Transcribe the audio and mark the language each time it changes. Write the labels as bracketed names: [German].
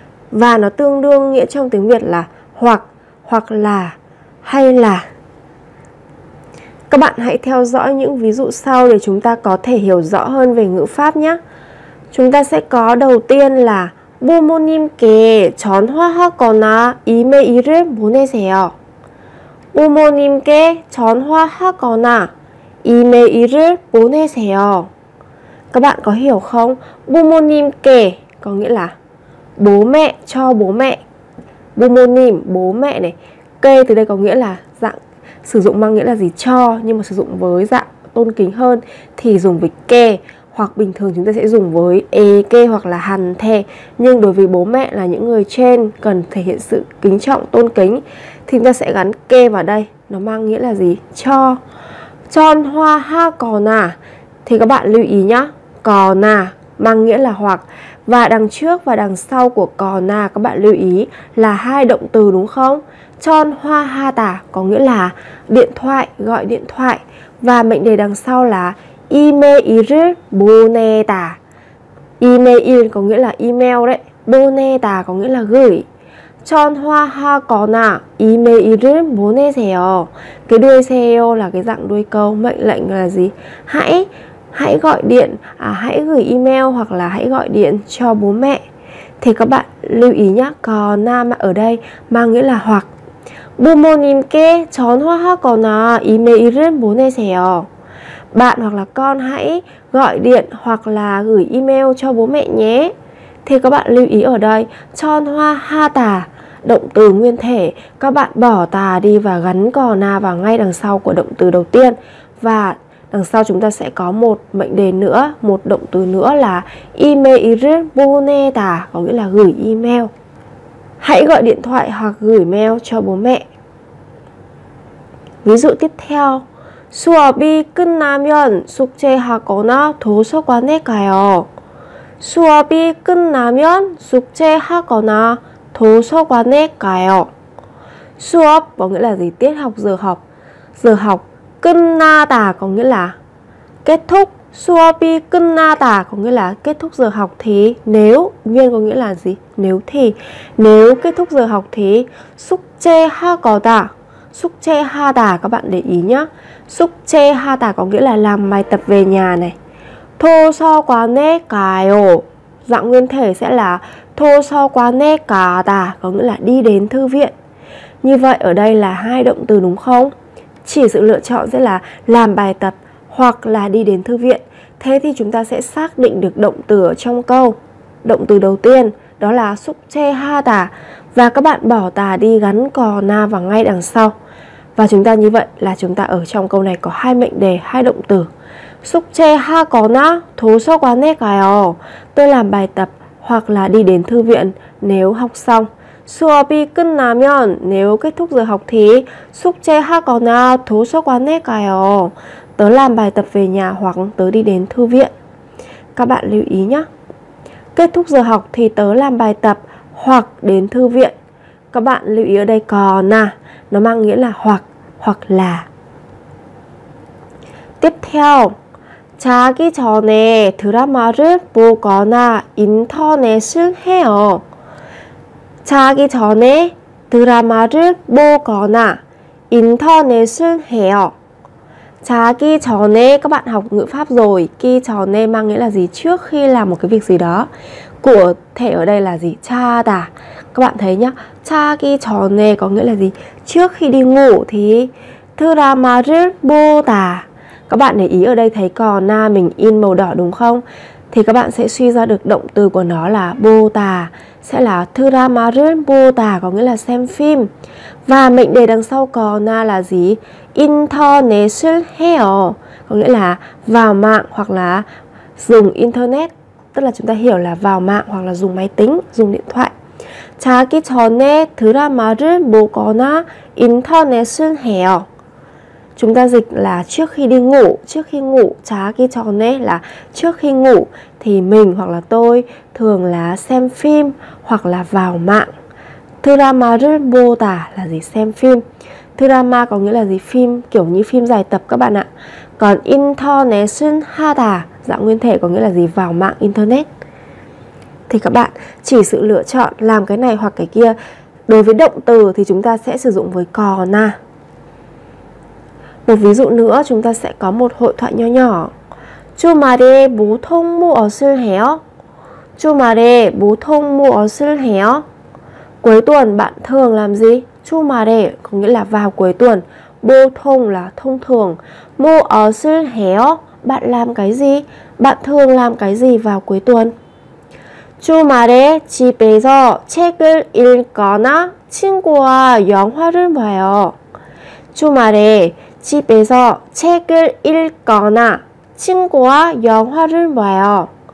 [Vietnamese] Và nó tương đương nghĩa trong tiếng Việt là hoặc là, hay là. Các bạn hãy theo dõi những ví dụ sau để chúng ta có thể hiểu rõ hơn về ngữ pháp nhé. Chúng ta sẽ có đầu tiên là [Korean] 부모님께 전화하거나 이메일을 보내세요. 부모님께 전화하거나 이메일을 보내세요. [Vietnamese] Các bạn có hiểu không? 부모님께 có nghĩa là bố mẹ, cho bố mẹ. 부모님 bố mẹ này. 께 từ đây có nghĩa là dạng sử dụng mang nghĩa là gì cho, nhưng mà sử dụng với dạng tôn kính hơn thì dùng với 께, hoặc bình thường chúng ta sẽ dùng với 에께 hoặc là 한테. Nhưng đối với bố mẹ là những người trên cần thể hiện sự kính trọng, tôn kính thì ta sẽ gắn kê vào đây, nó mang nghĩa là gì? Cho. Chon hoa ha cò nà thì các bạn lưu ý nhá, cò nà mang nghĩa là hoặc, và đằng trước và đằng sau của cò nà các bạn lưu ý là hai động từ đúng không? Chon hoa ha tà có nghĩa là điện thoại, gọi điện thoại, và mệnh đề đằng sau là email boneta. Email có nghĩa là email đấy, boneta có nghĩa là gửi. [Korean] 전화하거나 이메일을 보내세요. [Vietnamese] Cái đuôi CEO là cái dạng đuôi câu, mệnh lệnh là gì? Hãy gọi điện, hãy gửi email hoặc là hãy gọi điện cho bố mẹ. Thì các bạn lưu ý nhé, 거나 ở đây mang nghĩa là hoặc. [Korean] 부모님께 전화하거나 이메일을 보내세요. [Vietnamese] Bạn hoặc là con hãy gọi điện hoặc là gửi email cho bố mẹ nhé. Thì các bạn lưu ý ở đây, 전화하다 động từ nguyên thể, các bạn bỏ tà đi và gắn cò na vào ngay đằng sau của động từ đầu tiên. Và đằng sau chúng ta sẽ có một mệnh đề nữa, một động từ nữa là [Korean] 이메일을 보내다 [Vietnamese] có nghĩa là gửi email. Hãy gọi điện thoại hoặc gửi mail cho bố mẹ. Ví dụ tiếp theo, [Korean] 수업이 끝나면 숙제하거나 도서관에 가요. 수업이 끝나면 숙제하거나 도서관에 가요. [Vietnamese] 수업 có nghĩa là gì? Tiết học, giờ học. Giờ học 끝나다 có nghĩa là kết thúc. [Korean] 수업이 끝나다 [Vietnamese] có nghĩa là kết thúc giờ học thì, nếu nguyên có nghĩa là gì? Nếu thì, nếu kết thúc giờ học thì 숙제하거나. 숙제하다 các bạn để ý nhá. 숙제하다 có nghĩa là làm bài tập về nhà này. [Korean] 도서관에 가요 [Vietnamese] dạng nguyên thể sẽ là [Korean] 도서관에 가다 [Vietnamese] có nghĩa là đi đến thư viện. Như vậy ở đây là hai động từ đúng không? Chỉ sự lựa chọn sẽ là làm bài tập hoặc là đi đến thư viện. Thế thì chúng ta sẽ xác định được động từ ở trong câu. Động từ đầu tiên đó là 숙제하다 và các bạn bỏ tà đi gắn cò na vào ngay đằng sau. Và chúng ta như vậy là chúng ta ở trong câu này có hai mệnh đề, hai động từ. [Korean] 숙제하거나 도서관에 가요. [Vietnamese] Tôi làm bài tập hoặc là đi đến thư viện nếu học xong. [Korean] 수업이 끝나면 [Vietnamese] nếu kết thúc giờ học thì [Korean] 숙제하거나 도서관에 가요. [Vietnamese] Tớ làm bài tập về nhà hoặc tớ đi đến thư viện. Các bạn lưu ý nhé. Kết thúc giờ học thì tớ làm bài tập hoặc đến thư viện. Các bạn lưu ý ở đây còna nó mang nghĩa là hoặc là. Tiếp theo, [Korean] 자기 전에 드라마를 보거나 인터넷을 해요. 자기 전에 드라마를 보거나 인터넷을 해요. [Vietnamese] 자기 전에 các bạn học ngữ pháp rồi. 기 전에 mang nghĩa là gì? Trước khi làm một cái việc gì đó. Cụ thể ở đây là gì? 자다. Các bạn thấy nhá. [Korean] 자기 전에 [Vietnamese] có nghĩa là gì? Trước khi đi ngủ thì [Korean] 드라마를 보다. [Vietnamese] Các bạn để ý ở đây thấy cò na mình in màu đỏ đúng không? Thì các bạn sẽ suy ra được động từ của nó là 보다. Sẽ là [Korean] 드라마를 보다 [Vietnamese] có nghĩa là xem phim. Và mệnh đề đằng sau cò na là gì? [Korean] 인터넷을 해요 [Vietnamese] có nghĩa là vào mạng hoặc là dùng internet. Tức là chúng ta hiểu là vào mạng hoặc là dùng máy tính, dùng điện thoại. [Korean] 자기 전에 드라마를 보거나 인터넷을 해요. [Vietnamese] Chúng ta dịch là trước khi đi ngủ, trước khi ngủ, [Korean] 자기 전에 [Vietnamese] là trước khi ngủ thì mình hoặc là tôi thường là xem phim hoặc là vào mạng. [Korean] 드라마를 보다 [Vietnamese] là gì? Xem phim. 드라마 có nghĩa là gì? Phim, kiểu như phim dài tập các bạn ạ. Còn [Korean] 인터넷은 하다 [Vietnamese] dạng nguyên thể có nghĩa là gì? Vào mạng internet. Thì các bạn chỉ sự lựa chọn làm cái này hoặc cái kia. Đối với động từ thì chúng ta sẽ sử dụng với 거나. Một ví dụ nữa, chúng ta sẽ có một hội thoại nhỏ nhỏ. [Korean] 주말에 보통 무엇을 해요? 주말에 보통 무엇을 해요? [Vietnamese] Cuối tuần bạn thường làm gì? 주말에 có nghĩa là vào cuối tuần. 보통 là thông thường. [Korean] 무엇을 해요? [Vietnamese] Bạn làm cái gì? Bạn thường làm cái gì vào cuối tuần? [Korean] 주말에 집에서 책을 읽거나 친구와 영화를 봐요. 주말에 집에서 책을 읽거나 친구와 영화를 봐요.